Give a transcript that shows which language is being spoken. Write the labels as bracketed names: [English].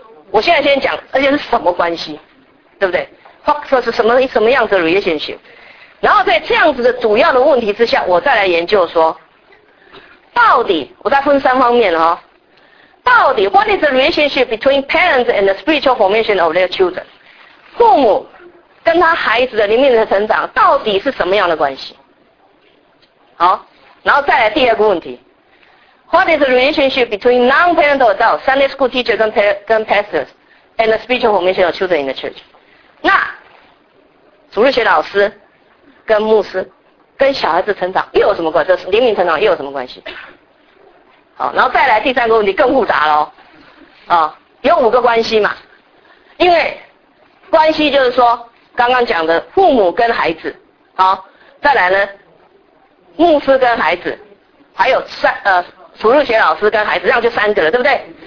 [Chinese] 我现在先讲，而且是什么关系，对不对？或者是什么样子的 relationship？然后在这样子的主要的问题之下，我再来研究说，到底我再分三方面哦。到底 [English] what is the relationship between parents and the spiritual formation of their children？ [Chinese] 父母跟他孩子的灵命的成长到底是什么样的关系？好，然后再来第二个问题， [English] What is the relationship between non-parental adults, Sunday school teacher [Chinese] 跟 [English] pastors and the spiritual formation of children in the church? [Chinese] 那主日学老师跟牧师跟小孩子成长又有什么关系？灵命成长又有什么关系？好，然后再来第三个问题更复杂了，有五个关系嘛。因为关系就是说刚刚讲的父母跟孩子，好，再来呢牧师跟孩子，还有主日学老师跟孩子，这样就三个了，对不对？